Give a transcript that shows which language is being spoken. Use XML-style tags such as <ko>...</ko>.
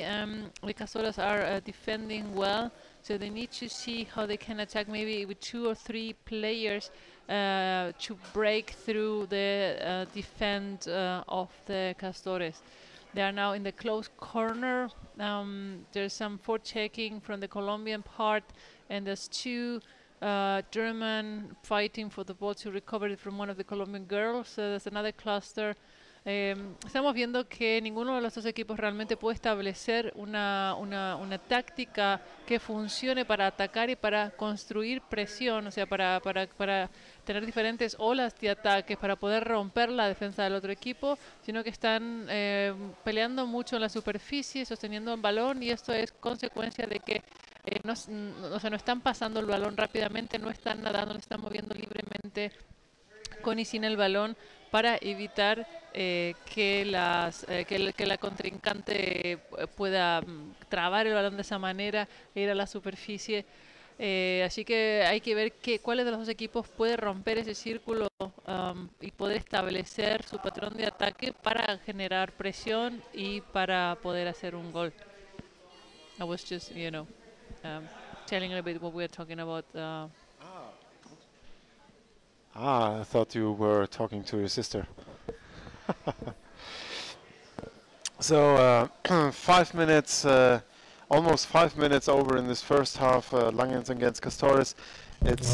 <en>The Castoras are defending well, so they need to see how they can attack maybe with two or three players to break through the defense of the Castores. They are now in the close corner. There's some forechecking from the Colombian part, and there's two German fighting for the ball to recover it from one of the Colombian girls. So there's another cluster.</en> <es>Estamos viendo que ninguno de los dos equipos realmente puede establecer una táctica que funcione para atacar y para construir presión, o sea, para tener diferentes olas de ataques para poder romper la defensa del otro equipo, sino que están peleando mucho en la superficie, sosteniendo el balón, y esto es consecuencia de que no están pasando el balón rápidamente, no están nadando, no están moviendo libremente con y sin el balón para evitar que la contrincante pueda trabar el balón de esa manera e ir a la superficie. Así que hay que ver cuáles de los dos equipos puede romper ese círculo y poder establecer su patrón de ataque para generar presión y para poder hacer un gol.</es> <en>I was just, you know, telling a bit what we are talking about. I thought you were talking to your sister. So, 5 minutes, almost 5 minutes over in this first half, Langen against Castores. It's</en>